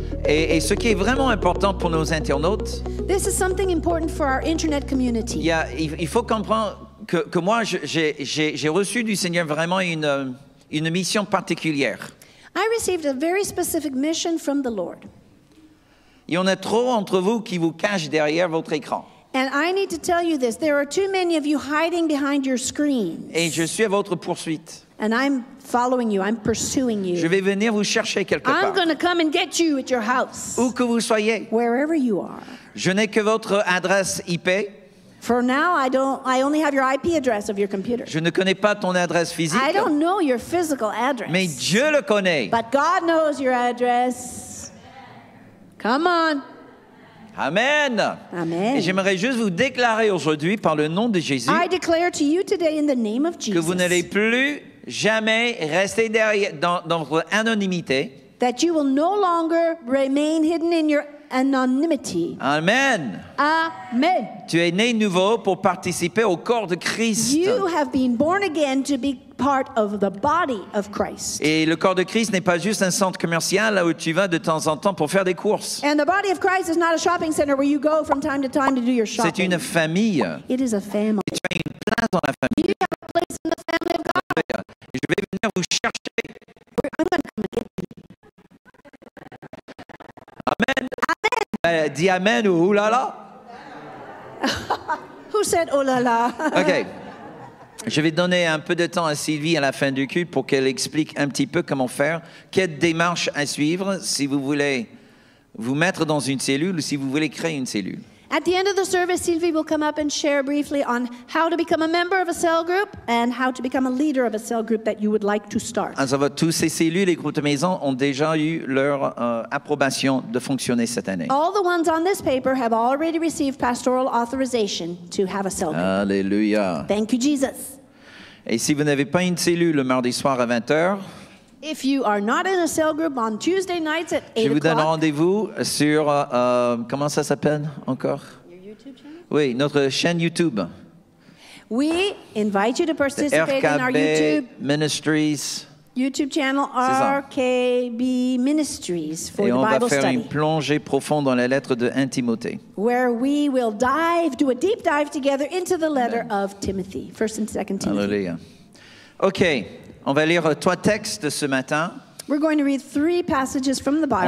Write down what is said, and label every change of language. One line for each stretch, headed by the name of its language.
French: Et ce qui est vraiment important pour nos internautes,
English: this is something important for our internet community.
French: Il faut comprendre que moi, j'ai reçu du Seigneur vraiment une mission particulière.
English: I received a very specific mission from the Lord.
French: Il y en a trop entre vous qui vous cachent derrière votre écran.
English: And I need to tell you this, there are too many of you hiding behind your screens.
French: Et je suis à votre poursuite.
English: And I'm following you, I'm pursuing you.
French: Je vais venir vous chercher quelque part.
English: I'm going to come and get you at your house.
French: Où que vous soyez.
English: Wherever you are.
French: Je n'ai que votre adresse IP.
English: For now, I only have your IP address of your computer.
French: Je ne connais pas ton adresse physique.
English: I don't know your physical address.
French: Mais Dieu le connaît.
English: But God knows your address. Come on. Amen. Amen.
French: Et j'aimerais juste vous déclarer aujourd'hui par le nom de Jésus,
English: I declare to you today in the name of Jesus,
French: que vous n'allez plus jamais rester derrière dans votre anonymité.
English: That you will no longer remain hidden in your anonymity. Amen. Amen.
French: Tu es né nouveau pour participer au corps de Christ.
English: You have been born again to be part of the body of Christ.
French: Et le corps de Christ n'est pas juste un centre commercial là où tu vas de temps en temps pour faire des courses.
English: And the body of Christ is not a shopping center where you go from time to time to do your shopping.
French: C'est une famille.
English: It is a family.
French: Et tu as une place dans la famille.
English: You have a place in the family of God.
French: Et je vais venir vous chercher.
English: I'm going to come and get you. Amen. Amen.
French: Dis amen ou oulala.
English: Who said oulala? Okay.
French: Je vais donner un peu de temps à Sylvie à la fin du culte pour qu'elle explique un petit peu comment faire, quelle démarche à suivre si vous voulez vous mettre dans une cellule ou si vous voulez créer une cellule.
English: At the end of the service, Sylvie will come up and share briefly on how to become a member of a cell group and how to become a leader of a cell group that you would like to start.
French: En fait, toutes ces cellules et groupes de maison ont déjà eu leur approbation de fonctionner cette année.
English: All the ones on this paper have already received pastoral authorization to have a cell group. Alléluia. Thank you, Jesus.
French: Et si vous n'avez pas une cellule le mardi soir à 20h,
English: if you are not in a cell group on Tuesday nights at 8 o'clock,
French: je vous donne rendez-vous sur comment ça s'appelle encore?
English: Your YouTube channel?
French: Oui, notre chaîne YouTube.
English: We invite you to participate RKB in our YouTube Ministries. YouTube channel RKB Ministries for the Bible study.
French: Et on va faire une plongée profonde dans la lettre de 1 Timothée.
English: Where we will do a deep dive together into the letter of Timothy, 1 and 2 Timothy.
French: Alléluia. Okay. On va lire trois textes ce matin.
English: We're going to read three passages from the Bible.